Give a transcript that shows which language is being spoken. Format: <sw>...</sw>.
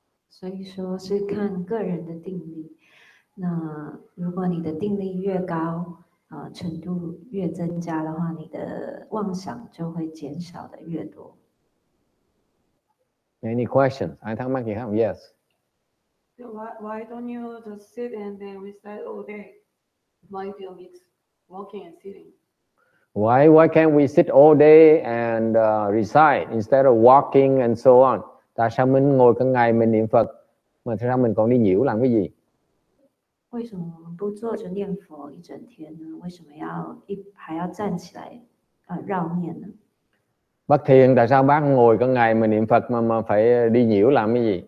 <zh>所以说是看个人的定力。那如果你的定力越高。程度越增加的话, 你的妄想就会减少的越多。</zh> <en>Any questions? I think Mike, you have, yes. So why don't you just sit and then recite all day? Why do you mix walking and sitting? Why can't we sit all day and recite instead of walking and so on?</en> <vi>Tại sao mình ngồi cả ngày mình niệm Phật, mà thật ra mình còn đi nhiễu làm cái gì?</vi> <zh>为什么不坐着念佛一整天呢？为什么要还要站起来绕念呢？</zh> <vi>Bác thiền, tại sao bác ngồi cả ngày mà niệm Phật mà phải đi nhiễu làm cái gì?</vi>